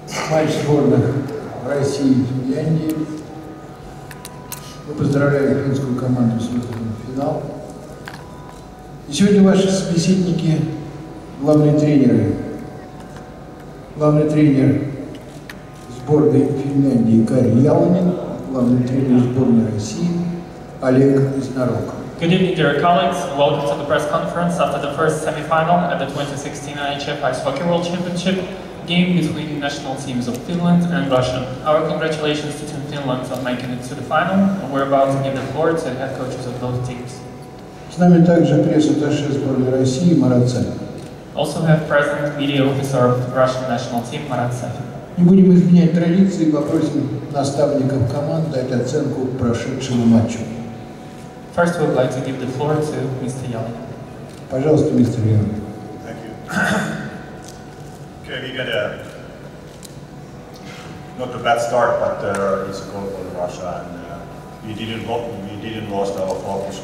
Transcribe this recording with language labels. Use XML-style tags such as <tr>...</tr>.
<ru>Матч сборных России и Финляндии. Мы поздравляем финскую команду с выходом в финал. И сегодня ваши собеседники – главные тренеры. Главный тренер сборной Финляндии Кари Ялонен, главный тренер сборной России Олег Изнарок.</ru> <en>Good evening, dear colleagues. Welcome to the press conference after the first semi-final at the 2016 IHF Ice Hockey World Championship game between national teams of Finland and Russia. Our congratulations to Team Finland on making it to the final, and we're about to give the floor to the head coaches of those teams.</en> <ru>С нами также пресс-атташе сборной России Марат Сафин.</ru> <en>Also have present media officer of the Russian national team, Марат Сафин.</en> <ru>Не будем изменять традиции, попросим наставников команд дать оценку прошедшему матчу.</ru> <en>First, we would like to give the floor to Mr. Young.</en> <ru>Пожалуйста, мистер Young.</ru> <en>Thank you. Okay, we got a not a bad start, but there is a goal for Russia, and we didn't lost our focus.</en>